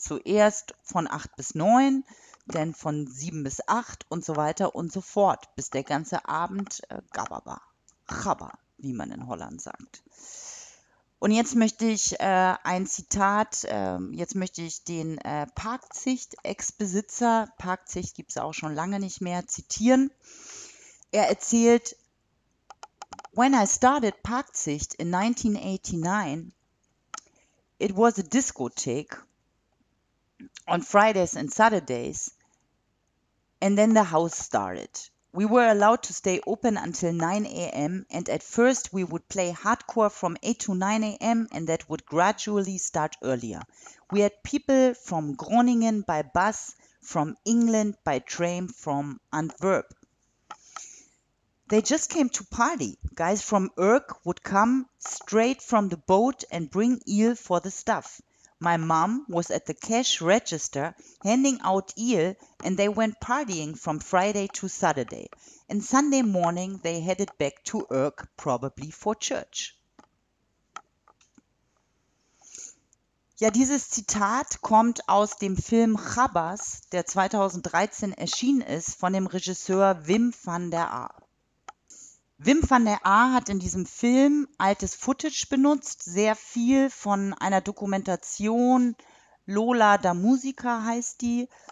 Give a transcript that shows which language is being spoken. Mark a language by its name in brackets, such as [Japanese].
[German] Zuerst von 8 bis 9, dann von 7 bis 8 und so weiter und so fort, bis der ganze Abend Gabba war. Chabba, wie man in Holland sagt. Und jetzt möchte ich ein Zitat, jetzt möchte ich den Parkzicht-Ex-Besitzer, Parkzicht gibt es auch schon lange nicht mehr, zitieren. Er erzählt: [English] When I started Parkzicht in 1989, it was a discotheque on Fridays and Saturdays, and then the house started. We were allowed to stay open until 9 a.m., and at first we would play hardcore from 8 to 9 a.m., and that would gradually start earlier. We had people from Groningen by bus, from England by train, from Antwerp. They just came to party. Guys from Urk would come straight from the boat and bring eel for the stuff. My mom was at the cash register handing out eel and they went partying from Friday to Saturday. And Sunday morning they headed back to Urk, probably for church. [German] Ja, dieses Zitat kommt aus dem Film Chabbas, der 2013 erschienen ist, von dem Regisseur Wim van der Aa. Wim van der Aa hat in diesem Film altes Footage benutzt, sehr viel von einer Dokumentation, Lola da Musica heißt die,